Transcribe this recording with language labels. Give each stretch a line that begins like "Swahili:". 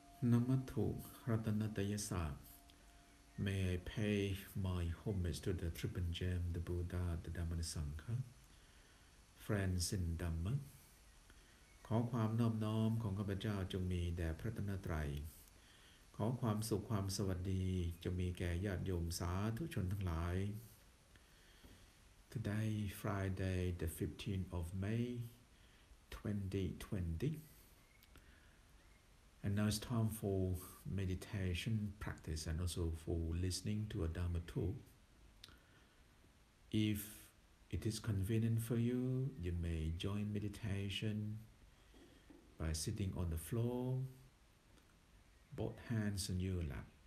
Pali: Namato Ratanataya Sa.
English: May I pay my homage to the Triple Gem, the Buddha, the Dhamma and the Sangha. Friends in Dhamma.
Thai: ขอความนอบน้อมของข้าพเจ้าจงมีแด่พระรัตนตรัยขอความสุขความสวัสดีจงมีแก่ญาติโยมสาธุชนทั้งหลาย
English: Today, Friday, the 15th of May, 2020. And now it's time for meditation practice and also for listening to a Dhamma talk. If it is convenient for you, you may join meditation by sitting on the floor, both hands on your lap.